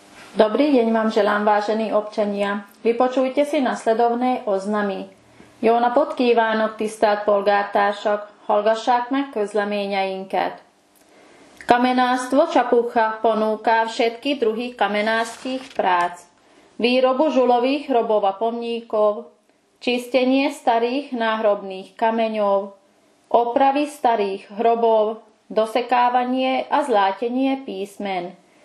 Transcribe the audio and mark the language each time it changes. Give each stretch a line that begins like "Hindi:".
Slovak: Dobrý deň vám želám, vážení občania. Vypočujte si nasledovné oznamy.
Hungarian: Jó napot kívánok, tisztelt polgártársak! Hallgassák meg közleményeinket!
Slovak: Kamenáctvo Csapucha ponúká všetky druhy kamenáctvých prác. Výrobu žulových hrobov a pomníkov, čistenie starých náhrobných kameňov, opravy starých hrobov, dosekávanie a zlátenie písmen.